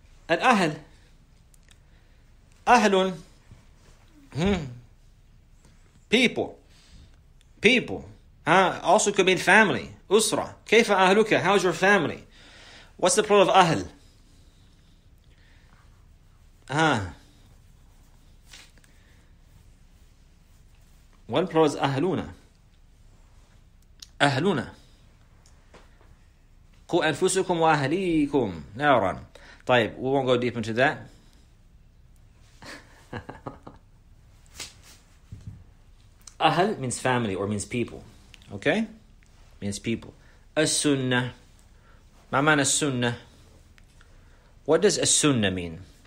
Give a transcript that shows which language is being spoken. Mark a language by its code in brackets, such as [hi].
[en] الأهل أهل people also could mean family, أسرة. [ar] كيف أهلك? [en] How's your family? What's the plural of أهل? One plural is أهلونا. [ar] أهلنا قو أنفسكم وأهليكم نارا. [en] طيب, we won't go deep into that. أهل means family or means people. Okay? Means people. السنة, [ar] ما معنى السنة? [en] What does السنة mean?